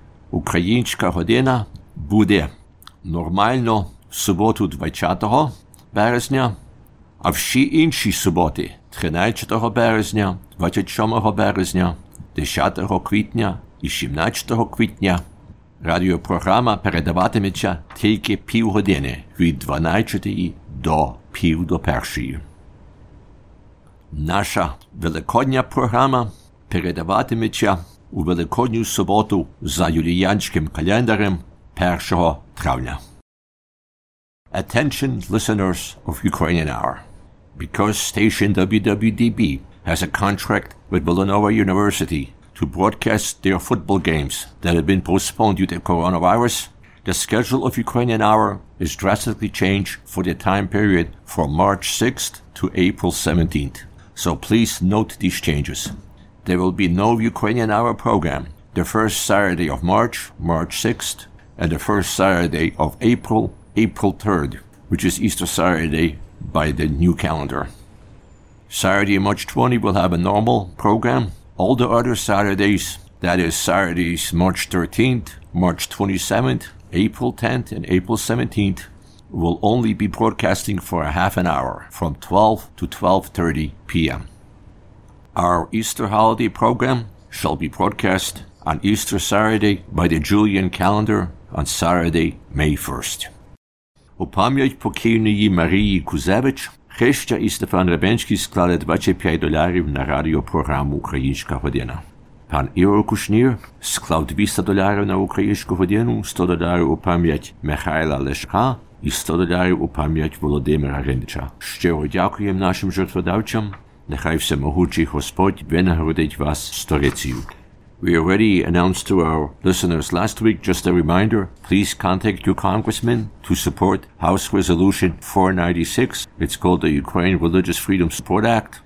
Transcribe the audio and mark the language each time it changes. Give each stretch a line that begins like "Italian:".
Ukrainian: Українська година буде нормально в суботу 20 березня, а всі інші суботи 13 березня, 27 березня, 10 квітня і 17 квітня радіопрограма передаватиметься тільки півгодини від 12 до пів до першої. Наша Великодня програма передаватиметься у Великодню суботу за юліянським календарем 1 травня.
English: Attention listeners of Ukrainian Hour. Because station WWDB has a contract with Villanova University to broadcast their football games that have been postponed due to coronavirus, the schedule of Ukrainian Hour is drastically changed for the time period from March 6th to April 17th. So please note these changes. There will be no Ukrainian Hour program the first Saturday of March, March 6th, and the first Saturday of April, April 3rd, which is Easter Saturday by the new calendar. Saturday, March 20 will have a normal program. All the other Saturdays, that is Saturdays March 13th, March 27th, April 10th, and April 17th, will only be broadcasting for a half an hour from 12 to 12:30 p.m. Our Easter holiday program shall be broadcast on Easter Saturday by the Julian calendar on Saturday, May 1st.
Ukrainian: У пам'ять покійної Марії Кузевич Хреща і Стефан Ребенський склали $25 на радіопрограму «Українська година». Пан Іро Кушнір склав $200 на «Українську годину», $100 у пам'ять Михайла Лешка і $100 у пам'ять Володимира Гринича. Щиро дякуємо нашим жертводавцям. Нехай всемогучий Господь винагородить вас сторицею.
English: We already announced to our listeners last week, just a reminder, please contact your congressman to support House Resolution 496. It's called the Ukraine Religious Freedom Support Act.